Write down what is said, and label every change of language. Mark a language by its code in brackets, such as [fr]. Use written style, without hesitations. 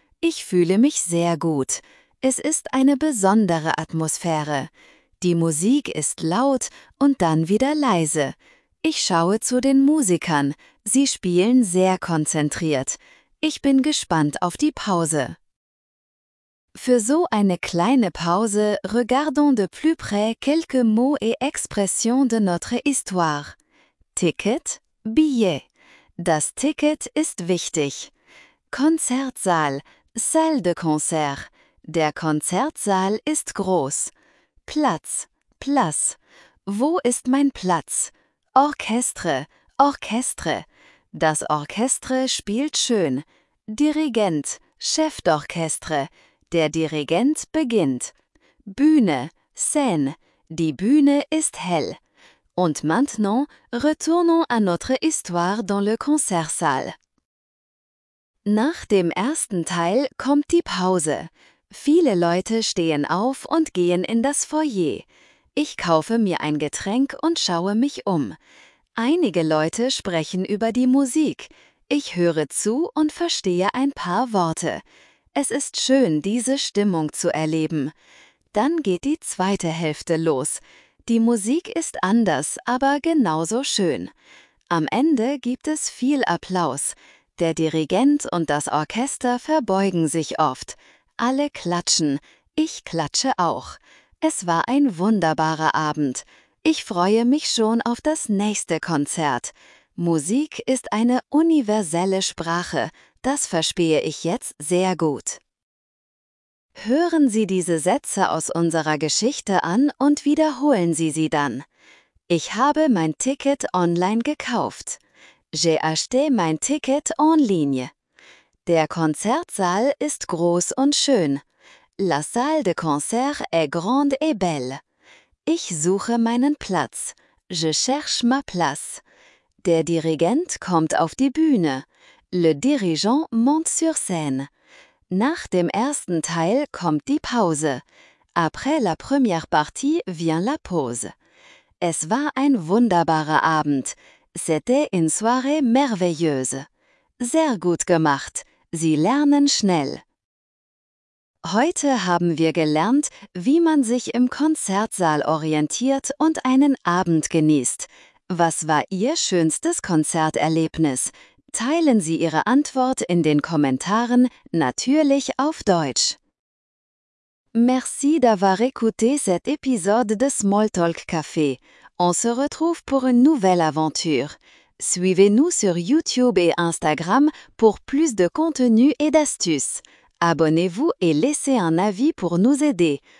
[de] Ich fühle mich sehr gut. Es ist eine besondere Atmosphäre. Die Musik ist laut und dann wieder leise. Ich schaue zu den Musikern. Sie spielen sehr konzentriert. Ich bin gespannt auf die Pause. Für so eine kleine Pause, [fr] regardons de plus près quelques mots et expressions de notre histoire. [de] Ticket, [fr] billet. [de] Das Ticket ist wichtig. Konzertsaal, [fr] Salle de concert. [de] Der Konzertsaal ist groß. Platz, Place. Wo ist mein Platz? Orchestre, Orchestre. Das Orchestre spielt schön. Dirigent, [fr] Chef d'Orchestre. [de] Der Dirigent beginnt. Bühne, Scène. Die Bühne ist hell. [fr] Und maintenant, retournons à notre histoire dans le Konzertsaal. [de] Nach dem ersten Teil kommt die Pause. Viele Leute stehen auf und gehen in das Foyer. Ich kaufe mir ein Getränk und schaue mich um. Einige Leute sprechen über die Musik. Ich höre zu und verstehe ein paar Worte. Es ist schön, diese Stimmung zu erleben. Dann geht die zweite Hälfte los. Die Musik ist anders, aber genauso schön. Am Ende gibt es viel Applaus. Der Dirigent und das Orchester verbeugen sich oft. Alle klatschen. Ich klatsche auch. Es war ein wunderbarer Abend. Ich freue mich schon auf das nächste Konzert. Musik ist eine universelle Sprache. Das verstehe ich jetzt sehr gut. Hören Sie diese Sätze aus unserer Geschichte an und wiederholen Sie sie dann. Ich habe mein Ticket online gekauft. [fr] J'ai acheté [de] mein Ticket [fr] en ligne. [de] Der Konzertsaal ist groß und schön. [fr] La salle de concert est grande et belle. [de] Ich suche meinen Platz. [fr] Je cherche ma place. [de] Der Dirigent kommt auf die Bühne. [fr] Le dirigeant monte sur scène. [de] Nach dem ersten Teil kommt die Pause. [fr] Après la première partie vient la pause. [de] Es war ein wunderbarer Abend. [fr] C'était une soirée merveilleuse. [de] Sehr gut gemacht. Sie lernen schnell. Heute haben wir gelernt, wie man sich im Konzertsaal orientiert und einen Abend genießt. Was war Ihr schönstes Konzerterlebnis? Teilen Sie Ihre Antwort in den Kommentaren, natürlich auf Deutsch. [fr] Merci d'avoir écouté cet épisode de Smalltalk Café. On se retrouve pour une nouvelle aventure. Suivez-nous sur YouTube et Instagram pour plus de contenu et d'astuces. Abonnez-vous et laissez un avis pour nous aider.